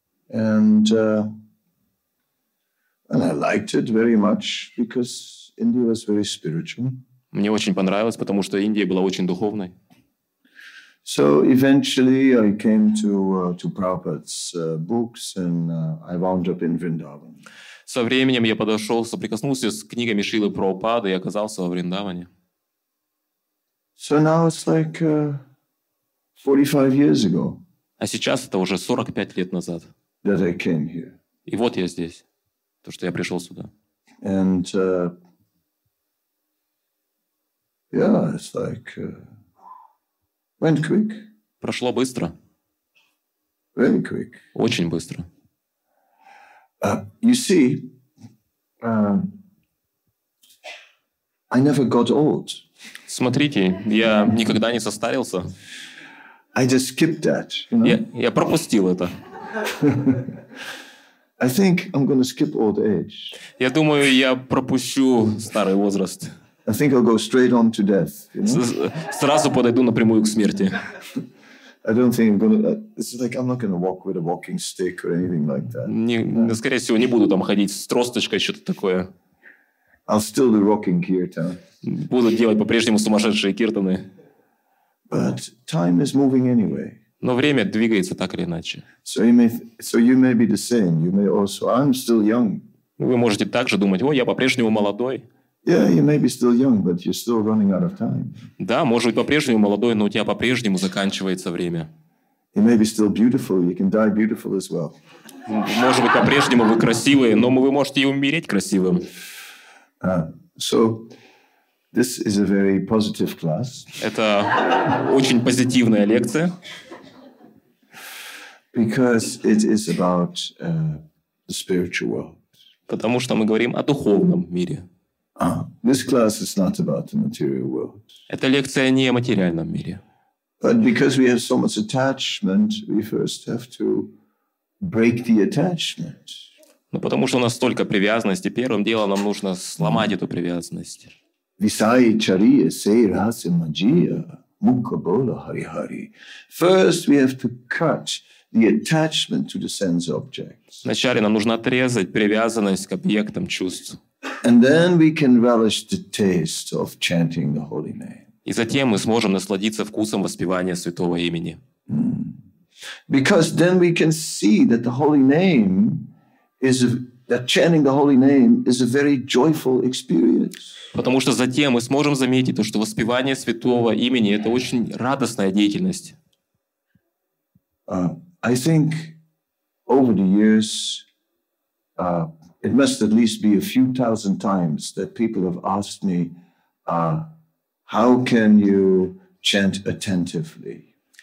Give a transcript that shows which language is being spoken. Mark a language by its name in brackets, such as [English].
[English] And I liked it very much because India was very spiritual. [Russian] Мне очень понравилось, потому что Индия была очень духовной. [English] So eventually I came to Prabhupada's books and I wound up in Vrindavan. [Russian] Со временем я подошел, соприкоснулся с книгами Шрилы Прабхупады и оказался во Вриндаване. [English] So now it's like 45 years ago. [Russian] А сейчас это уже 45 лет назад. [English] That I came here. [Russian] И вот я здесь. То, что я пришел сюда. [English] And yeah, it's like went quick. [Russian] Прошло быстро. [English] Very quick. [Russian] Очень быстро. [English] You see, I never got old. [Russian] Смотрите, я никогда не состарился. [English] I just skipped that. You know? [Russian] Я пропустил это. [English] I think I'm going to skip old age. [Russian] Я думаю, я пропущу старый возраст. [English] I think I'll go straight on to death. [Russian] Сразу подойду напрямую к смерти. [English] I don't think I'm going to... It's like I'm not going to walk with a walking stick or anything like that. [Russian] Не, скорее всего, не буду там ходить с тросточкой, что-то такое. [English] I'll still do rocking kirtan. [Russian] Буду делать по-прежнему сумасшедшие киртаны. [English] But time is moving anyway. [Russian] Но время двигается так или иначе. [English] So you may be the same. You may also. I'm still young. [Russian] Вы можете также думать: о, я по-прежнему молодой. [English] Yeah, you may be still young, but you're still running out of time. [Russian] Да, может быть, по-прежнему молодой, но у тебя по-прежнему заканчивается время. [English] You may be still beautiful. You can die beautiful as well. [Russian] Может быть, по-прежнему вы красивые, но вы можете и умереть красивым. [English] So this is a very positive class. [Russian] Это очень позитивная лекция. [English] Because it is about the spiritual world. [Russian] Потому что мы говорим о духовном мире. [English] This class is not about the material world. [Russian] Эта лекция не о материальном мире. [English] But because we have so much attachment, we first have to break the attachment. [Russian] Но потому что у нас столько привязанности, первым делом нам нужно сломать эту привязанность. [Bangla] Visai chariya se rasa magia mukha bola hari hari. [English] First we have to cut the attachment to the sense objects. [Russian] Вначале нам нужно отрезать привязанность к объектам чувств. [English] And then we can relish the taste of chanting the holy name. [Russian] И затем мы сможем насладиться вкусом воспевания святого имени. [English] Because then we can see that the holy name is that chanting the holy name is a very joyful experience. [Russian] Потому что затем мы сможем заметить то, что воспевание святого имени это очень радостная деятельность. [English] I think over the years it must at least be a few thousand times that people have asked me how can you chant attentively?